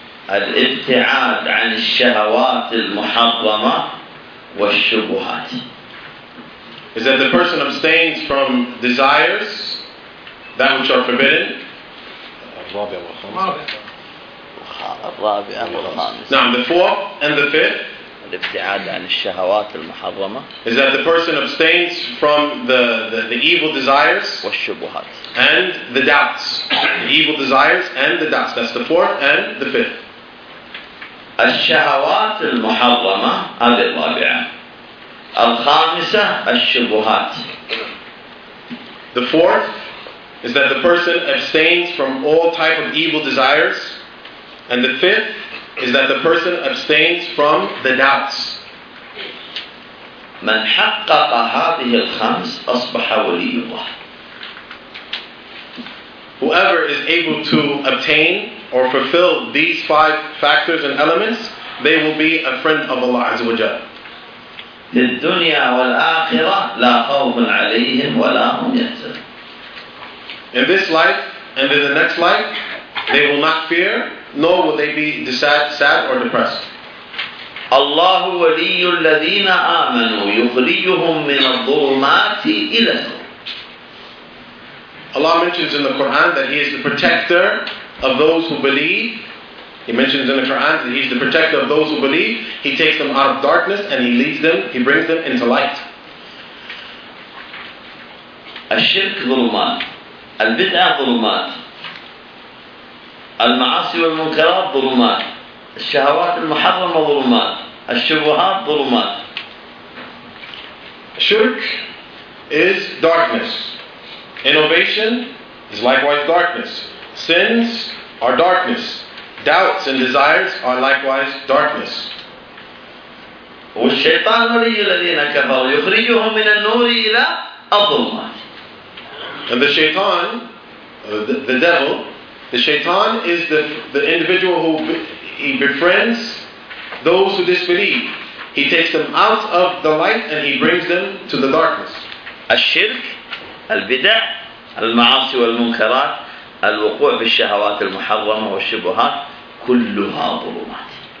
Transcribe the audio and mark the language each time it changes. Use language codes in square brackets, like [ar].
[ar] الابتعاد عن الشهوات المحرمة والشبهات. [en] Is that the person abstains from desires that which are forbidden? [ar] الرابعة والخامسة. الرابعة والخامسة. نعم, [en] the fourth and the fifth. [ar] الابتعاد عن الشهوات المحرمة. [en] Is that the person abstains from the evil desires? [ar] والشبهات. [en] And the doubts. The evil desires and the doubts. That's the fourth and the fifth. [ar] الشهوات المحرمة هذه الرابعة. الخامسة الشبهات. [en] The fourth is that the person abstains from all type of evil desires. And the fifth is that the person abstains from the doubts. [ar] من حقق هذه الخمس أصبح ولي الله. [en] Whoever is able to obtain or fulfill these five factors and elements, they will be a friend of Allah Azza wa Jalla. [ar] للدنيا والآخرة لا خوف عليهم ولا هم يحزنون. [en] In this life and in the next life, they will not fear, nor will they be sad or depressed. [ar] الله ولي الذين آمنوا يخرجهم من الظلمات إلى النور. [en] Allah mentions in the Quran that He is the protector of those who believe. He mentions in the Quran that He's the protector of those who believe. He takes them out of darkness and He leads them, He brings them into light. [ar] الشرك ظلمات, البدع ظلمات, المعاصي والمنكرات ظلمات, الشهوات المحرمة ظلمات, الشبهات ظلمات. [en] Shirk is darkness. Innovation is likewise darkness. Sins are darkness. Doubts and desires are likewise darkness. [ar] والشيطان ولي الذين كفروا يخرجهم من النور إلى الظلمات. [en] And the shaitan, the devil, the shaitan is the individual who he befriends those who disbelieve. He takes them out of the light and he brings them to the darkness. [ar] الشرك, البدع, المعاصي والمنكرات, الوقوع بالشهوات المحرمة والشبهات, كلها ظلمات.